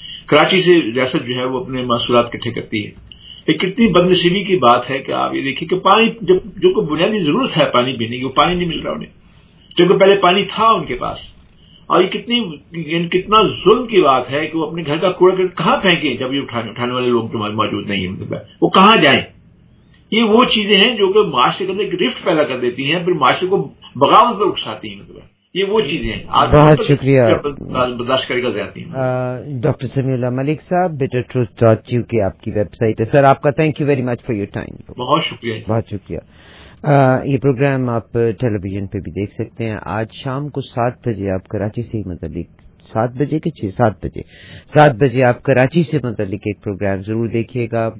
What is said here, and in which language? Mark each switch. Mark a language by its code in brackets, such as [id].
[ur] کراچی سے ریاست جو ہے وہ اپنے محصولات اکٹھے کرتی ہے. یہ کتنی بدنصیبی کی بات ہے کہ آپ یہ دیکھیں کہ پانی جو کو بنیادی ضرورت ہے پانی پینے کی, وہ پانی نہیں مل رہا انہیں جبکہ پہلے پانی تھا ان کے پاس. اور یہ کتنا ظلم کی بات ہے کہ وہ اپنے گھر کا کوڑا کرکٹ کہاں پھینکیں جب یہ اٹھانے والے لوگ موجود نہیں ہیں, وہ کہاں جائیں. یہ وہ چیزیں ہیں جو کہ معاشرے کے اندر ایک رفٹ پیدا کر دیتی ہیں, پھر معاشرے کو بغاوت پر اکساتی ہیں. مطلب یہ وہ چیزیں ہیں. بہت شکریہ برداشت کرے گا زیادتی ہوں. ڈاکٹر سمیع اللہ ملک صاحب, بیٹر ٹروتھ ڈاٹ یو کی آپ کی ویب سائٹ ہے سر. آپ کا [en] Thank you very much for your time. [ur] بہت شکریہ. بہت شکریہ. یہ پروگرام آپ ٹیلی ویژن پہ بھی دیکھ سکتے ہیں. آج شام کو 7 بجے آپ کراچی سے متعلق, 7 بجے کے 6-7 بجے 7 بجے آپ کراچی سے متعلق ایک پروگرام ضرور دیکھیے گا.